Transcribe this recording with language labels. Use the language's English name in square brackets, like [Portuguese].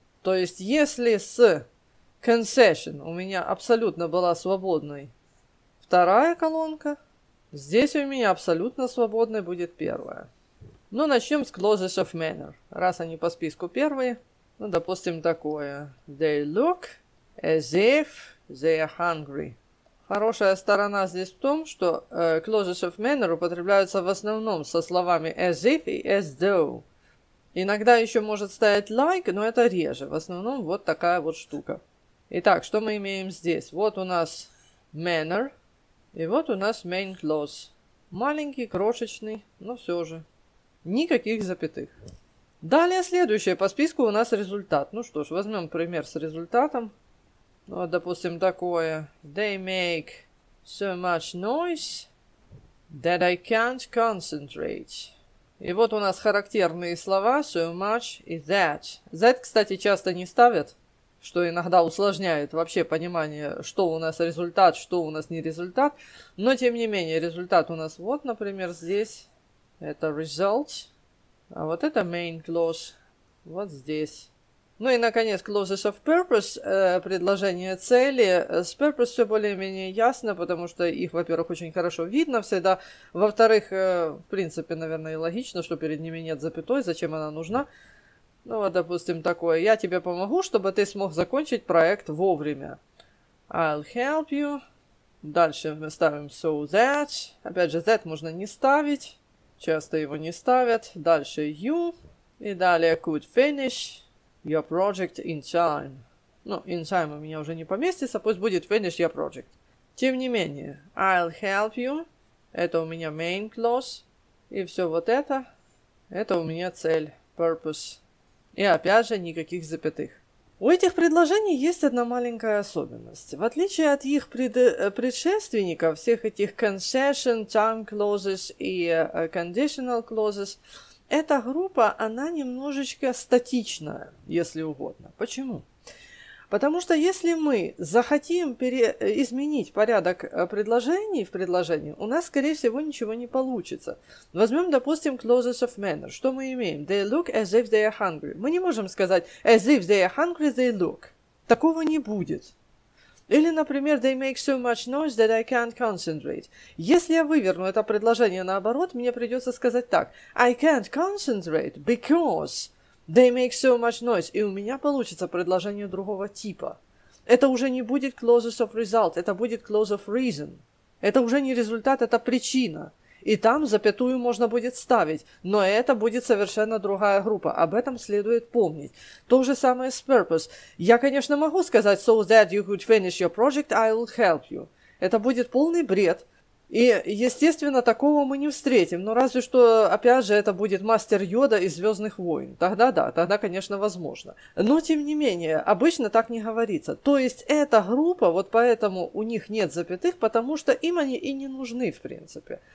[Russian] То есть если с concession у меня абсолютно была свободной вторая колонка, здесь у меня абсолютно свободной будет первая. Ну, начнем с clauses of manner. Раз они по списку первые, ну, допустим, такое. [English] They look as if they are hungry. [Russian] Хорошая сторона здесь в том, что clauses of manner употребляются в основном со словами as if и as though. Иногда еще может стоять like, но это реже. В основном вот такая вот штука. Итак, что мы имеем здесь? Вот у нас manner, и вот у нас main clause. Маленький, крошечный, но все же. Никаких запятых. Далее следующее по списку у нас результат. Ну что ж, возьмем пример с результатом. Ну, вот, допустим, такое. [English] They make so much noise That I can't concentrate. [Russian] И вот у нас характерные слова so much и that. That, кстати, часто не ставят, что иногда усложняет вообще понимание, что у нас результат, что у нас не результат. Но, тем не менее, результат у нас вот, например, здесь. Это result. А вот это main clause. Вот здесь. Ну и, наконец, clauses of purpose, предложение цели. С purpose все более-менее ясно, потому что их, во-первых, очень хорошо видно всегда. Во-вторых, в принципе, наверное, и логично, что перед ними нет запятой, зачем она нужна. Ну вот, допустим, такое. Я тебе помогу, чтобы ты смог закончить проект вовремя. [English] I'll help you. [Russian] Дальше мы ставим so that. Опять же, that можно не ставить. Часто его не ставят. Дальше you. И далее [English] could finish your project in time. [Russian] Ну, in time у меня уже не поместится, пусть будет [English] finish your project. [Russian] Тем не менее, [English] I'll help you. [Russian] Это у меня main clause. И все вот это. Это у меня цель, purpose. И опять же, никаких запятых. У этих предложений есть одна маленькая особенность. В отличие от их предшественников, всех этих concession, time clauses и conditional clauses, эта группа, она немножечко статичная, если угодно. Почему? Потому что если мы захотим изменить порядок предложений в предложении, у нас, скорее всего, ничего не получится. Возьмем, допустим, clauses of manner. Что мы имеем? [English] They look as if they are hungry. [Russian] Мы не можем сказать [English] as if they are hungry, they look. [Russian] Такого не будет. Или, например, [English] they make so much noise that I can't concentrate. [Russian] Если я выверну это предложение наоборот, мне придется сказать так. [English] I can't concentrate because they make so much noise. [Russian] И у меня получится предложение другого типа. Это уже не будет clauses of result, это будет clause of reason. Это уже не результат, это причина. И там запятую можно будет ставить, но это будет совершенно другая группа. Об этом следует помнить. То же самое с purpose. Я, конечно, могу сказать [English] so that you could finish your project, I will help you. [Russian] Это будет полный бред. И, естественно, такого мы не встретим. Но разве что, опять же, это будет мастер Йода из «Звездных войн». Тогда да, тогда, конечно, возможно. Но, тем не менее, обычно так не говорится. То есть, эта группа, вот поэтому у них нет запятых, потому что им они и не нужны, в принципе.